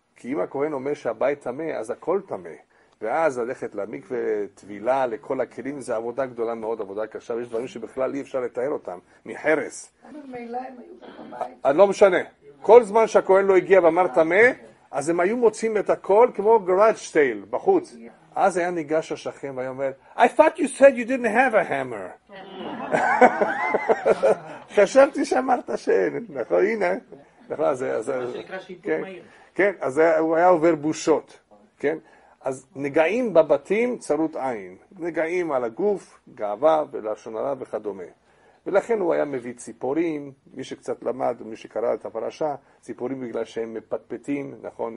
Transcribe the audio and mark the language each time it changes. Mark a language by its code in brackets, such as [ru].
[he] כי אם הכהן אומר שהבית תמה, אז הכל תמה. ואז ללכת למקווה, תבילה, לכל הכלים, זה עבודה גדולה מאוד, עבודה קשה, ויש דברים שבכלל אי אפשר לתאר אותם, מחרס. לא משנה. כל זמן שהכהן לא הגיע ואמר תמה, אז הם היו מוצאים את הכל כמו גראג' סייל בחוץ. אז היה ניגש השכן והיה אומר, [en] I thought you said you didn't have a hammer. [he] חשבתי שאמרת שאין, נכון, הנה. נכון, אז... זה מה שנקרא שיפור מהיר. כן, אז הוא היה עובר בושות, כן? אז נגעים בבתים צרות עין. נגעים על הגוף, גאווה ולשון הרע וכדומה. ולכן הוא היה מביא ציפורים, מי שקצת למד, מי שקרא את הפרשה, ציפורים בגלל שהם מפטפטים, נכון?